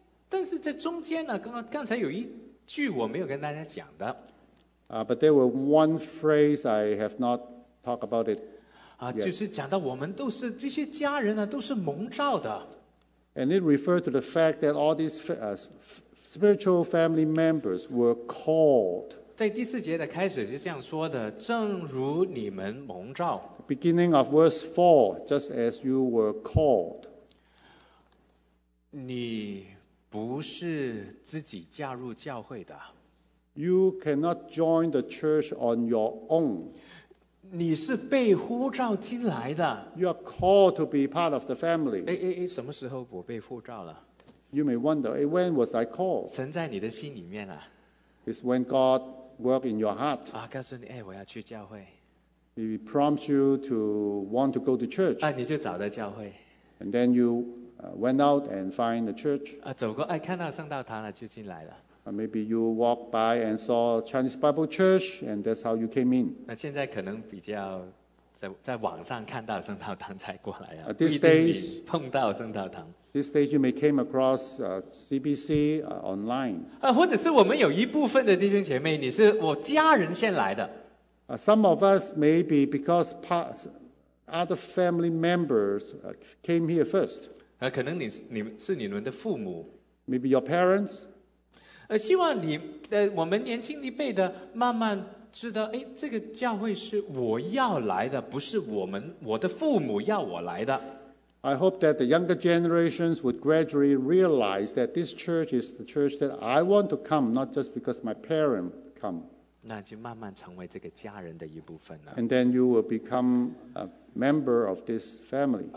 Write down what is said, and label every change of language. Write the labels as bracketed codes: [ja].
[zh] 但是在中间呢，刚才有一句我没有跟大家讲的。 [en] But there were one phrase I have not talked about it. [zh] 就是讲到我们都是这些家人都是蒙召的。 [en] And it referred to the fact that all these spiritual family members were called. [zh] 在第四节的开始是这样说的，正如你们蒙召。 [en] Beginning of verse 4, just as you were called. [zh] 你不是自己加入教会的。 [en] You cannot join the church on your own. [zh] 你是被呼召进来的。 [en] You are called to be part of the family. [zh] 什么时候我被呼召了？ [en] You may wonder, hey, when was I called? [zh] 神在你的心里面啊。 [en] It's when God worked in your heart. [zh] 告诉你，我要去教会。 [en] He prompts you to want to go to church. [zh] 你就找到教会。 [en] And then you went out and find the church. [zh] 走过，看到圣道堂了，就进来了。 [en] Maybe you walked by and saw Chinese Bible Church, and that's how you came in. [zh] 现在可能比较在网上看到圣道堂才过来啊。 [en] This stage, [zh] 不一定你碰到圣道堂。 [en] This stage you may came across CBC online. [zh] 或者是我们有一部分的弟兄姐妹，你是我家人先来的。 [en] Some of us may be because other family members came here first. [zh] 可能你是你们的父母。 [en] Maybe your parents. [zh] 希望你我们年轻一辈的慢慢知道，这个教会是我要来的，不是我的父母要我来的。 [en] I hope that the younger generations would gradually realize that this church is the church that I want to come, not just because my parents come. [zh] 那就慢慢成为这个家人的一部分了。 [en] And then you will become a member of this family.